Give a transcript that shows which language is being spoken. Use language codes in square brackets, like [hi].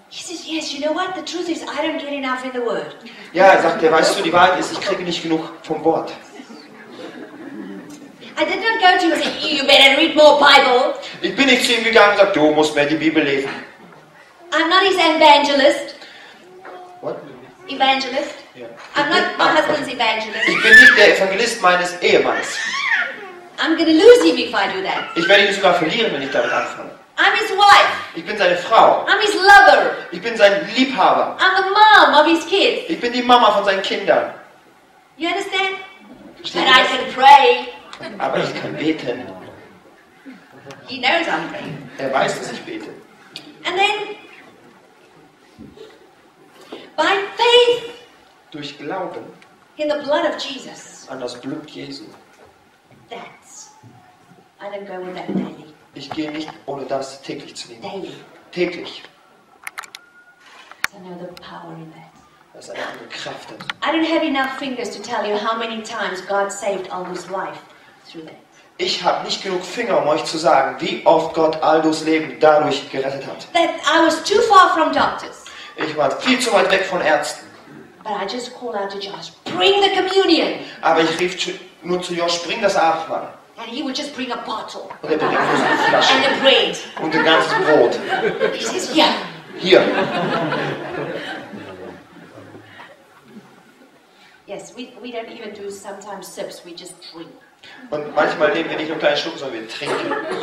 [en] He says, yes, you know what? The truth is, I don't get enough in the word. [de] Ja, er sagte, weißt du, die Wahrheit ist, ich kriege nicht genug vom Wort. [en] I did not go to him and say, you better read more Bible. [de] Ich bin nicht zu ihm gegangen und sagte, du musst mehr die Bibel lesen. [en] I'm not his evangelist. What? Evangelist. Yeah. I'm not my husband's evangelist. [de] Ich bin nicht der Evangelist meines Ehemanns. [en] I'm gonna lose him if I do that. [de] Ich werde ihn sogar verlieren, wenn ich damit anfange. [en] I'm his wife. [de] Ich bin seine Frau. [en] I'm his lover. [de] Ich bin sein Liebhaber. [en] I'm the mom of his kids. [de] Ich bin die Mama von seinen Kindern. [en] You understand? But I can pray. [de] Aber ich kann beten. [en] He knows I'm praying. [de] Er weiß, dass ich bete. [en] And then, by faith. [de] Durch Glauben [en] in the blood of Jesus, [de] an das Blut Jesu. [en] That's I don't go with that daily. [de] Ich gehe nicht ohne das täglich zu nehmen. [en] Daily. [de] Täglich. [en] I know the power in that. [de] Das ist eine Kraft. [en] I don't have enough fingers to tell you how many times God saved Aldo's life through that. [de] Ich habe nicht genug Finger, um euch zu sagen, wie oft Gott Aldos Leben dadurch gerettet hat. [en] That I was too far from doctors. [de] Ich war viel zu weit weg von Ärzten. [en] But I just called out to Josh, bring the communion. [de] Aber ich rief nur zu Josh, bring das Abendmahl. [en] And he would just bring a bottle. [de] Und er bringt nur eine Flasche. [en] And a bread. [de] Und ein ganzes Brot. [en] He says, yeah. [de] Hier. [en] Yes, we don't even do sometimes sips, we just drink. [de] Und manchmal nehmen wir nicht nur kleine Schlucken, sondern wir trinken.